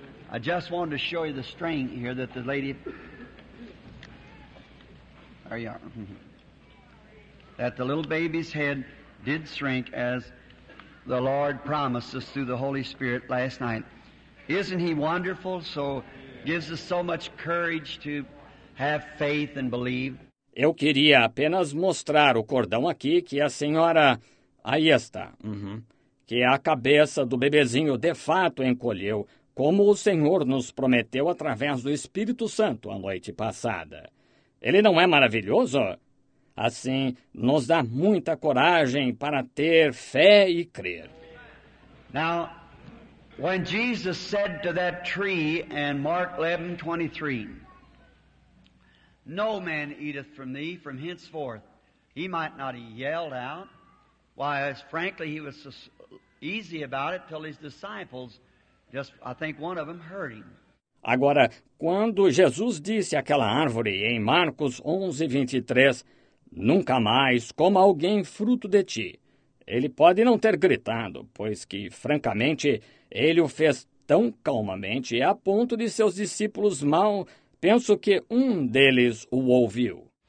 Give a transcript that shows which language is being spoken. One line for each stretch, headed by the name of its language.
English: I just wanted to show you the string here that the lady, there you are, that the little baby's head did shrink as the Lord promised us through the Holy Spirit last night. Isn't he wonderful? So gives us so much courage to have faith and believe.
Portuguese: Eu queria apenas mostrar o cordão aqui que a senhora, aí está, que a cabeça do bebezinho de fato encolheu, como o Senhor nos prometeu através do Espírito Santo a noite passada. Ele não é maravilhoso? Assim, nos dá muita coragem para ter fé e crer.
English: Now, When Jesus said to that tree in Mark 11:23, "No man eateth from thee from henceforth," he might not have yelled out. Why, as frankly, he was so easy about it till his disciples, just I think one of them heard him.
Portuguese: Agora, quando Jesus disse àquela árvore em Marcos 11:23, "Nunca mais coma alguém fruto de ti." Ele pode não ter gritado, pois que, francamente, ele o fez tão calmamente a ponto de seus discípulos mal, penso que um deles o ouviu.